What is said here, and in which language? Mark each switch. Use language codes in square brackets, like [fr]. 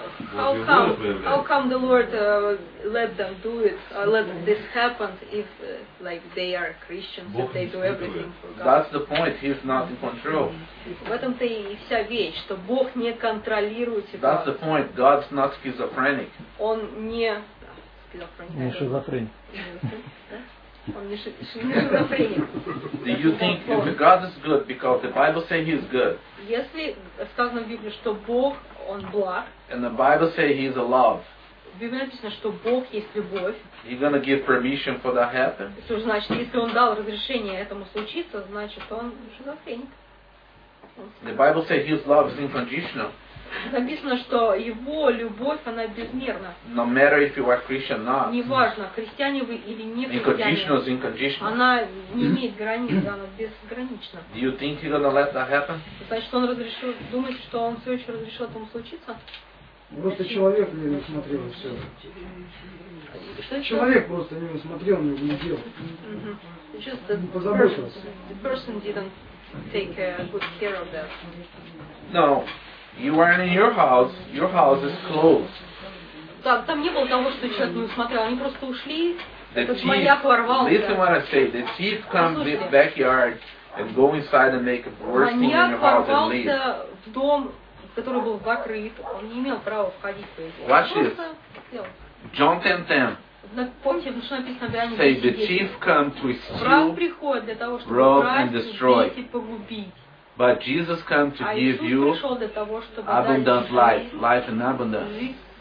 [en] How come the Lord let them do it, let this happen if like they are Christians, if they do everything for God? That's the point. He's not in control. [ru] В этом-то и вся вещь, что Бог не контролирует себя. [en] That's the point. God's not schizophrenic. [ru] Он не шизофреник. [en] Do you think if God is good because the Bible says He is good? [ru] Если сказано в Библии, что Бог он благ. [en] And the Bible says He is a love. [ru] В Библии написано, что Бог есть любовь. [en] You're gonna give permission for that happen? [ru] Что значит, если он дал разрешение этому случиться, значит он шизофреник. [en] The Bible says His love is unconditional. [ru] Написано, что его любовь она безмерна. [en] No matter if you are Christian or not. [ru] Неважно, христиане вы или не христиане. [en] Unconditional is unconditional. [ru] Она не имеет границ, она безгранична. [en] Do you think he's gonna let that happen? [ru] Значит, он разрешил, думаете, что он все еще разрешил этому случиться? Просто человек не усмотрел все. Что человек это? Просто не усмотрел, не делал. Mm-hmm. [en] Just [ru] не позаботился. [en] The person didn't take good care of that. No. You weren't in your house. Your house is closed. [ru] Да, там не было того, что человек не усмотрел. Они просто ушли. Этот маньяк ворвался. [en] Listen what I say. The thief come to the backyard and go inside and make a worse thing in your house and leave. [ru] Маньяк ворвался в дом, который был закрыт. Он не имел права входить. [en] Watch this. John 10:10. [ru] Помните, что написано в Иоанне [en] 10:10? Say the thief come to steal, [ru] приходит для того, чтобы украсть, убить и [en] destroy. But Jesus came to give you abundant life, life in abundance.